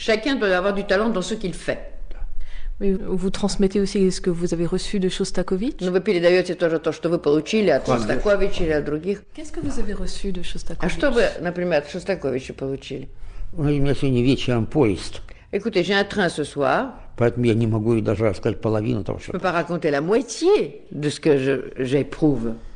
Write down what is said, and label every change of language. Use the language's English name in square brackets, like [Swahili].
[French] Chacun doit avoir du talent dans ce qu'il fait. Mais vous transmettez aussi ce que vous avez reçu de Шостакович? [Russian] Ну, вы передаете тоже то, что вы получили от Шостаковича или от других. [French] Qu'est-ce que vous avez reçu de Шостакович? [Russian] А что вы, например, от Шостаковича получили? У меня сегодня вечером поезд. [French] Écoutez, j'ai un train ce soir. [Russian] Поэтому я не могу даже рассказать половину того, что... [French] Je peux pas raconter la moitié de ce que j'éprouve.